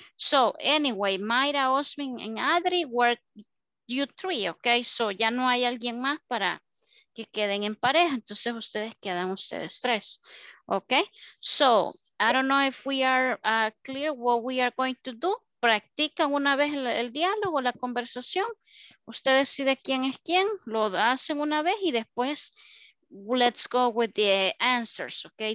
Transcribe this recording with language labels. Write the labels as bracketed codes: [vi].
[en] So, anyway, Mayra, Osmin and Adri were you three, okay? [es] So, ya no hay alguien más para que queden en pareja. Entonces, ustedes quedan tres, okay? [en] So, I don't know if we are clear what we are going to do. [es] Practican una vez el diálogo, la conversación. Usted decide quién es quién. Lo hacen una vez y después [en] let's go with the answers, okay?